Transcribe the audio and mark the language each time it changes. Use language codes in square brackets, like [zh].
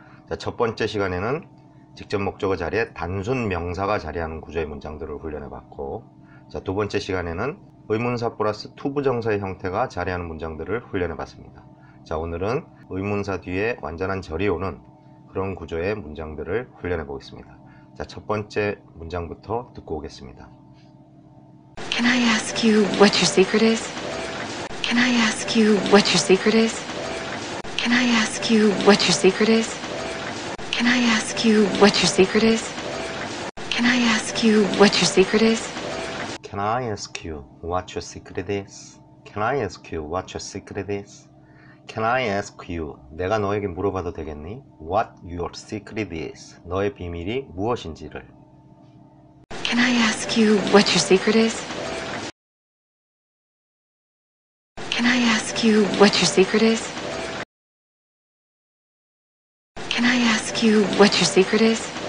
[ko] 자, 첫 번째 시간에는 직접 목적어 자리에 단순 명사가 자리하는 구조의 문장들을 훈련해 봤고, 자, 두 번째 시간에는 의문사 플러스 투부 정사의 형태가 자리하는 문장들을 훈련해 봤습니다. 자, 오늘은 의문사 뒤에 완전한 절이 오는 그런 구조의 문장들을 훈련해 보겠습니다. 자, 첫 번째 문장부터 듣고 오겠습니다. [en] Can I ask you what your secret is? Can I ask you what your secret is? Can I ask you what your secret is? Can I ask you what your secret is? Can I ask you what your secret is? Can I ask you what your secret is? Can I ask you what your secret is? Can I ask you? [ko] 내가 너에게 물어봐도 되겠니? [en] What your secret is? [ko] 너의 비밀이 무엇인지를. [en] Can I ask you what your secret is? Can I ask you what your secret is? Can I ask you what your secret is?